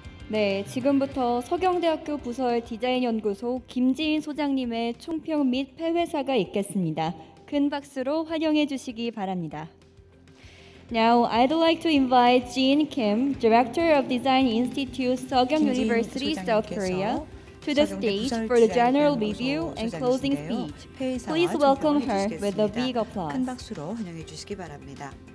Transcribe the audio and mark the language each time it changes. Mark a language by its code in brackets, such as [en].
[ko] 네, 지금부터 서경대학교 부서의 디자인연구소 김지인 소장님의 총평 및 폐회사가 있겠습니다. 큰 박수로 환영해 주시기 바랍니다. [en] Now, I'd like to invite Jin Kim, Director of Design Institute, Seogyeong University, South Korea, to the stage for the general review and closing speech. Please welcome her with a big applause. [ko] 큰 박수로 환영해 주시기 바랍니다.